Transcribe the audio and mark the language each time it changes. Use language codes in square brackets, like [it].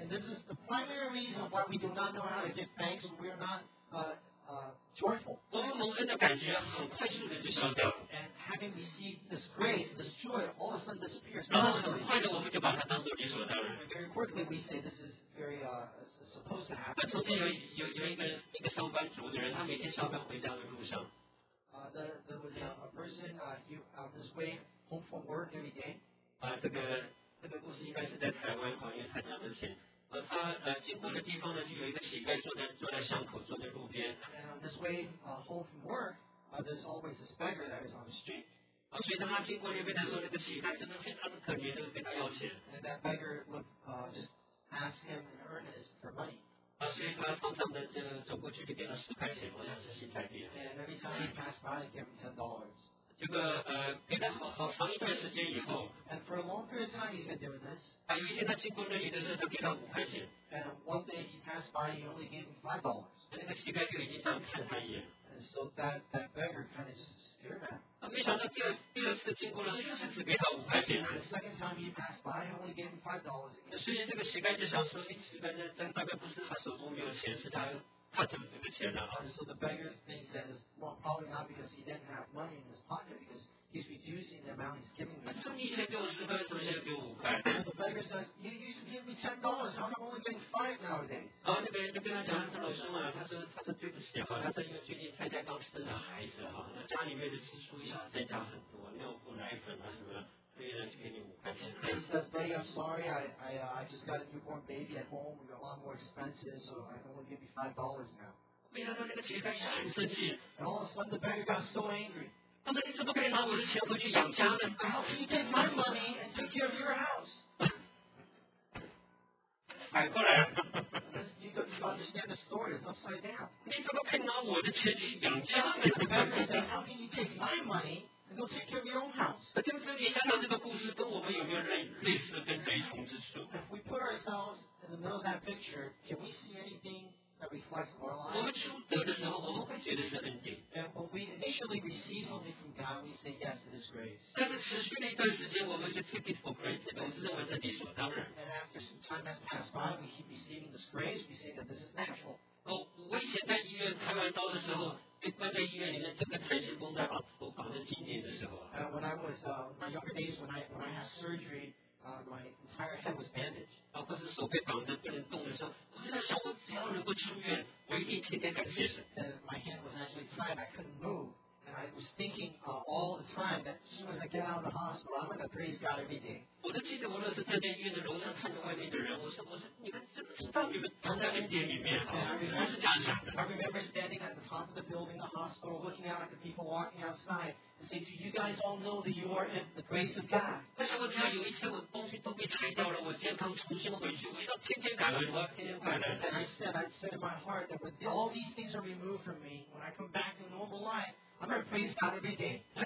[en] And this is the primary reason why we do not know how to give thanks. We are not joyful. [zh] 我们蒙恩的感觉很快速的就消掉了。 [en] And having received this grace, this joy all of a sudden disappears. [zh] 然后很快的我们就把它当做理所当然。 [en] Very quickly we say this is. Supposed to happen. [zh] 昨天有一个上班族的人，他每天上班回家的路上。 [en] There was a person he on his way home from work every day. [zh] 这个故事应该是在台湾，因为他讲的前。他经过的地方呢，就有一个乞丐坐在巷口，坐在路边。 [en] And on his way home from work, there's always this beggar that is on the street. [zh] 所以当他经过那边的时候，那个乞丐真的非常的可怜，都跟他要钱。 [en] And that beggar looked just. Ask him in earnest for money. [zh] 所以他常常的就走过去，就给他10块钱，好像是新台币。 [en] And every time he passed by, give him $10. [zh] 这个给他好长一段时间以后。 [en] And for a long period of time, he's been doing this. [zh] 有一天他经过那里的时候，他给他5块钱。 [en] And one day he passed by, he only gave him $5. [zh] 那个乞丐就已经这样看他一眼。 [en] And so that beggar kind of just stared at him. [zh] 没想到第二次经过了，又是只给他5块钱。 [en] The second time he passed by, he only gave him $5. [zh] 所以这个乞丐就想说，乞丐那大概不是他手中没有钱，是他怎么这个钱呢？ [en] And so the beggar thinks that is probably not because he didn't have money in his pocket, because he's reducing the amount he's giving me. [zh] 你以前给我10块，为什么现在给我5块？ [en] The beggar says, you used to give me $10, how come I'm only getting $5 nowadays? [zh] 那边就跟他讲，他说老兄啊，他说对不起哈，他说因为最近太太刚生了孩子哈，家里面的支出一下增加很多，尿布、奶粉啊什么。 [en] He says, buddy, I'm sorry, I just got a newborn baby at home, we got a lot more expenses, so I can only give you $5 now. And all of a sudden, the beggar got so angry. How can you take my money and take care of your house? you understand the story, it's upside down. How can you take my money? And go take care of your own house. [zh] 那这你想想这个故事跟我们有没有类似跟雷同之处 [en] ？If we put ourselves in the middle of that picture, can we see anything that reflects our life? [zh] 我们初得的时候，我们会觉得是恩典。 [en] And when we initially receive something from God, we say yes, it is grace. [zh] 但是持续了一段时间，我们就 [en] take it for granted， [zh] 我们认为是理所当然。 [en] And after some time has passed by, we keep receiving this grace. We say that this is natural. [zh] 我以前在医院开完刀的时候。被关在医院里面，整个弹性绷带把头绑得紧紧的时候。 [en] When I was my younger days, when I had surgery, my entire head was bandaged. [zh] 而不是手被绑着，不能动的时候，我就在想，我只要能够出院，我一定天天感谢神。 [en] And my hand was actually tied, I couldn't move. And I was thinking all the time that as soon as I get out of the hospital, I'm going to praise God every day. [zh] 我都记得，无论是站在医院的楼上看着外面的人，我说，你们怎么知道你们站在恩典里面？我是假想的。 [en] I remember standing at the top of the building, the hospital, looking out at the people walking outside, and saying, "Do you guys all know that you are in the grace of God?" [zh] 但是我只要有一天我东西都被拆掉了，我健康重新回去，我要天天感恩，我要天天感恩。 [en] And I said, I said in my heart that when all these things are removed from me, when I come back to normal life, I'm going to praise God every day.